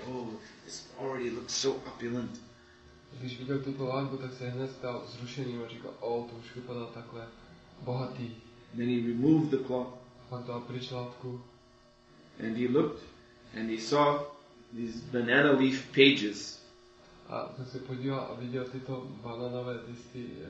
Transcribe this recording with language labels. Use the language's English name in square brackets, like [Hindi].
[English] Oh, this already looks so opulent. [Czech] Když viděl tuto látku, tak se hned stal zrušený a říkal, o, to už vypadá takhle bohatý. [English] Then he removed the cloth. [Czech] Pak dal pryč látku. [English] And he looked and he saw these banana leaf pages. [Czech] A jsem se podíval a viděl tyto bananové listy.